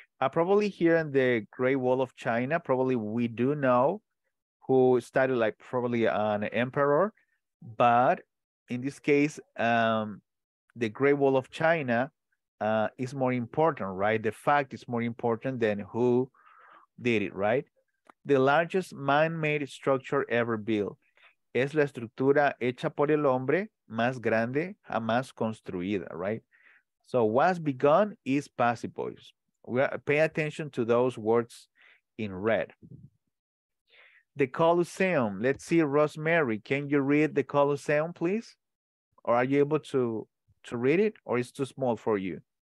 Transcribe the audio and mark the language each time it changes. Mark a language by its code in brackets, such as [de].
[en] Probably here in the Great Wall of China, probably we do know who studied, like probably an emperor, but in this case, the Great Wall of China is more important, right? The fact is more important than who did it, right? The largest man-made structure ever built. [es] Es la estructura hecha por el hombre más grande jamás construida, right? [en] So what's begun is passive voice. We are, pay attention to those words in red. The Colosseum. Let's see, Rosemary, can you read the Colosseum, please? Or are you able to read it, or is it too small for you?